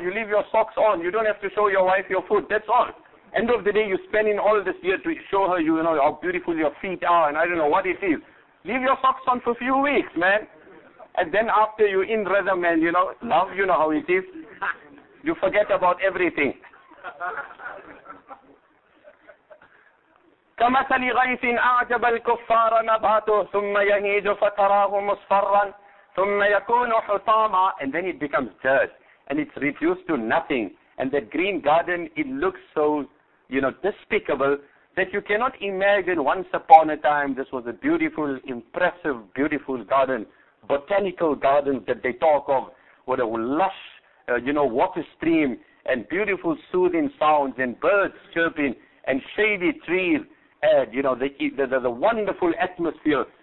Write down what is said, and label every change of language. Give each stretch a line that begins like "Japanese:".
English: You leave your socks on. You don't have to show your wife your foot. That's all. End of the day, you're spending all this year to show her, you know, how beautiful your feet are, and I don't know what it is. Leave your socks on for a few weeks, man. And then after you're in rhythm, man, you know, love, you know how it is. You forget about everything.
Arabic: كمثل غيث أعجب الكفار نباته ثم يهيج فتراه مصفرا ثم يكون حطاما.
English: And then it becomes dirt, and it's reduced to nothing. And that green garden, it looks so, you know, despicable, that you cannot imagine once upon a time this was a beautiful, impressive, beautiful garden, botanical garden that they talk of, with a lush, water stream, and beautiful soothing sounds, and birds chirping, and shady trees, and, you know, the wonderful atmosphere.